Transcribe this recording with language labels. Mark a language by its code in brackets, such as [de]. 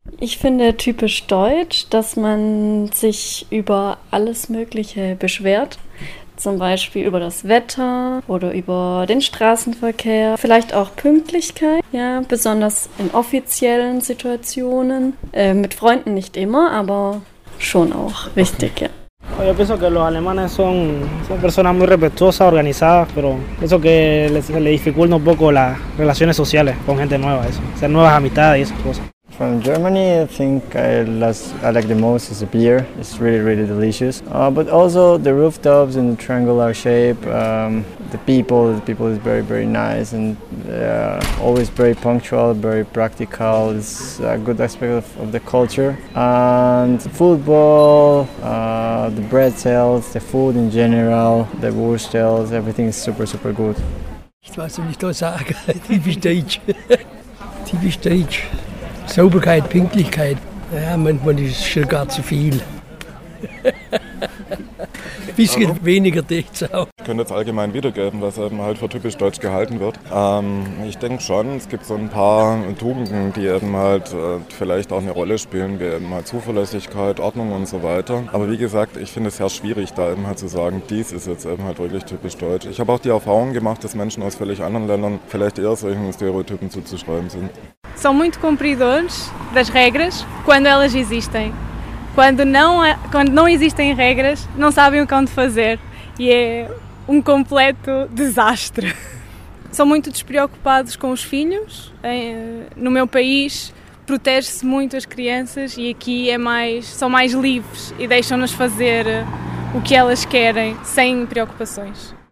[de] Ich finde typisch Deutsch, dass man sich über alles Mögliche beschwert. Zum Beispiel über das Wetter oder über den Straßenverkehr. Vielleicht auch Pünktlichkeit, ja, besonders in offiziellen Situationen. Mit Freunden nicht immer, aber schon auch wichtig, ja. [es] Yo pienso que los alemanes son personas muy respetuosas, organizadas, pero eso que les dificulta un poco las relaciones sociales con gente nueva, eso. Hacer nuevas amistades y esas cosas. [en] From Germany, I think I like the most is the beer. It's really, really delicious. But also the rooftops in the triangular shape, the people is very, very nice, and always very punctual, very practical. It's a good aspect of the culture. And football, the bread sales, the food in general, the wurstels, everything is super, super good. [de] Ich weiß nicht, was ich da sage. Typisch Deutsch. Typisch Deutsch. Sauberkeit, Pünktlichkeit, ja, manchmal ist es schon gar zu viel. Bisschen weniger dicht auch. Ich könnte jetzt allgemein wiedergeben, was eben halt für typisch deutsch gehalten wird. Ich denke schon, es gibt so ein paar Tugenden, die eben halt vielleicht auch eine Rolle spielen, wie eben halt Zuverlässigkeit, Ordnung und so weiter. Aber wie gesagt, ich finde es sehr schwierig, da eben halt zu sagen, dies ist jetzt eben halt wirklich typisch deutsch. Ich habe auch die Erfahrung gemacht, dass Menschen aus völlig anderen Ländern vielleicht eher solchen Stereotypen zuzuschreiben sind. [pt] São muito cumpridores das regras quando elas existem. Quando não existem regras, não sabem o que hão de fazer. E é um completo desastre. São muito despreocupados com os filhos. No meu país, protege-se muito as crianças e aqui são mais livres e deixam-nos fazer o que elas querem, sem preocupações.